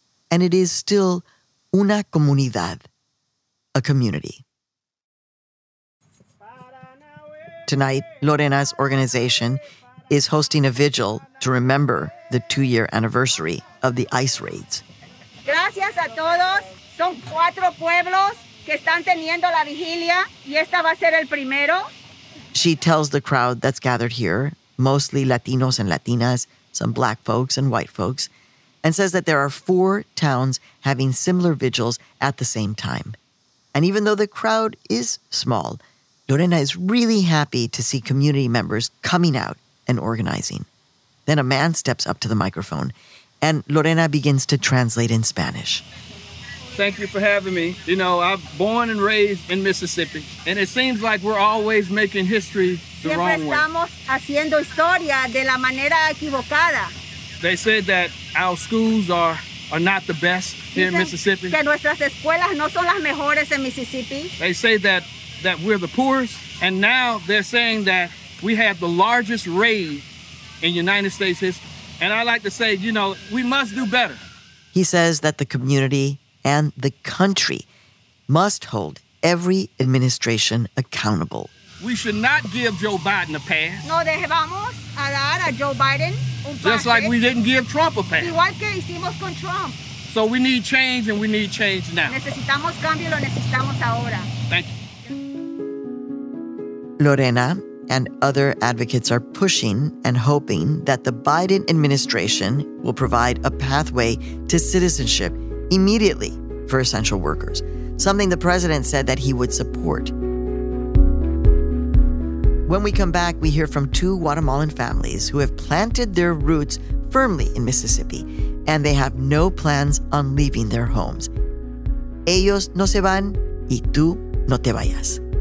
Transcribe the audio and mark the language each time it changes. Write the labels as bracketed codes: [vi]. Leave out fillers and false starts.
[en] And it is still [es] una comunidad, [en] a community. Tonight, Lorena's organization is hosting a vigil to remember the 2-year anniversary of the ICE raids. [es] Gracias a todos. Son cuatro pueblos que están teniendo la vigilia y esta va a ser el primero. [en] She tells the crowd that's gathered here, mostly Latinos and Latinas, some black folks and white folks, and says that there are 4 towns having similar vigils at the same time. And even though the crowd is small, Lorena is really happy to see community members coming out and organizing. Then a man steps up to the microphone and Lorena begins to translate in Spanish. Thank you for having me. You know, I'm born and raised in Mississippi, and it seems like we're always making history the [es] Siempre [en] wrong way. [es] Estamos haciendo historia de la manera equivocada. [en] They said that our schools are not the best here [es] Dicen [en] in Mississippi. [es] Que nuestras escuelas no son las mejores en Mississippi. [en] They say that that we're the poorest, and now they're saying that we have the largest raid in United States history. And I like to say, you know, we must do better. He says that the community and the country must hold every administration accountable. We should not give Joe Biden a pass. [es] No, dejamos a dar a Joe Biden un pase. [en] Just like we didn't give Trump a pass. [es] Igual que hicimos con Trump. [en] So we need change, and we need change now. [es] Necesitamos cambio, lo necesitamos ahora. [en] Thank you. Lorena and other advocates are pushing and hoping that the Biden administration will provide a pathway to citizenship immediately for essential workers, something the president said that he would support. When we come back, we hear from two Guatemalan families who have planted their roots firmly in Mississippi, and they have no plans on leaving their homes. [es] Ellos no se van y tú no te vayas.